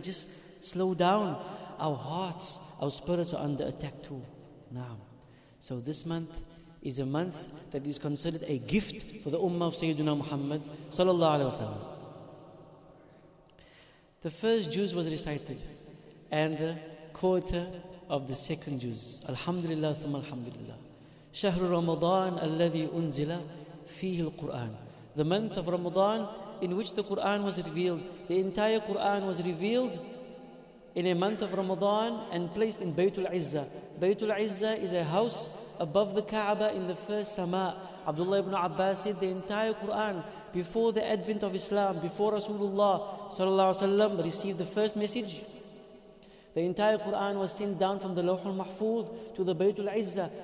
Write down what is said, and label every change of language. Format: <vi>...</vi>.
<en>Just slow down. Our hearts, our spirits are under attack too now. So this month is a month that is considered a gift for the Ummah of Sayyidina Muhammad sallallahu alaihi wasallam. The first juz was recited and the quarter of the second juz. Alhamdulillah thumma alhamdulillah.</en> <ar>شهر رمضان الذي أنزل فيه القرآن.</ar> <en>The month of Ramadan in which the Quran was revealed. The entire Quran was revealed in a month of Ramadan and placed in Baytul Izza. Baytul Izza is a house above the Kaaba in the first sama. Abdullah ibn Abbas said the entire Quran before the advent of Islam, before Rasulullah sallallahu alaihi wasallam received the first message, the entire Quran was sent down from the Lawh al-Mahfuz to the Baytul Izzah.</en>